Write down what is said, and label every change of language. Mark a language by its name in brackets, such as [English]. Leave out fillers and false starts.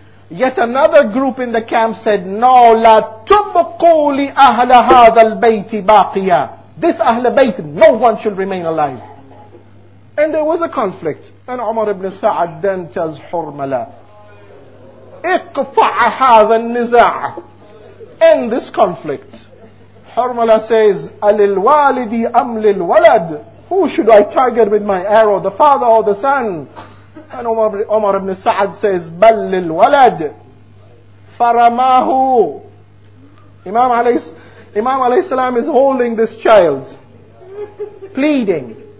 [English] Yet another group in the camp said, no, [Arabic] la tubqu li ahla hadha al bayti baqiya. [English] This ahla bayt, no one should remain alive. And there was a conflict. And Umar ibn Sa'ad then tells Hurmala, [Arabic] اقطع هذا النزاع. [English] End this conflict. Hurmala says, [Arabic] أَلِلْوَالِدِ أَمْ لِلْوَلَدِ. [English] Who should I target with my arrow, the father or the son? And Umar ibn Sa'ad says, [Arabic] بَلْ لِلْوَلَدِ فَرَمَاهُ. [English] Imam alayhi salam is holding this child, pleading.